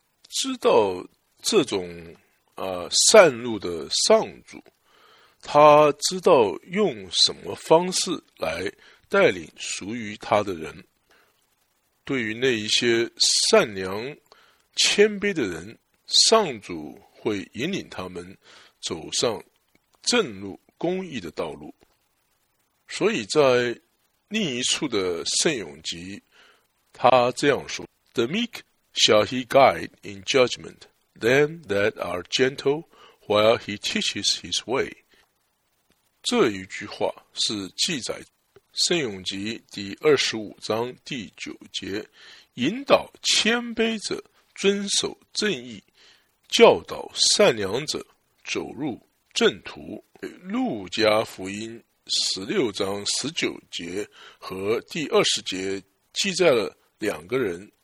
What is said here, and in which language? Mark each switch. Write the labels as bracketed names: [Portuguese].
[Chinese] 知道这种善路的上主，他知道用什么方式来带领属于他的人，对于那一些善良谦卑的人，上主会引领他们走上正路公义的道路。所以在另一处的圣咏集他这样说， [English] The meek shall he guide in judgment, them that are gentle while he teaches his way. [Chinese] 这一句话是记载圣咏集第25章第9节，引导谦卑者遵守正义，教导善良者走入正途。路加福音16章19节和第20节记载了两个人。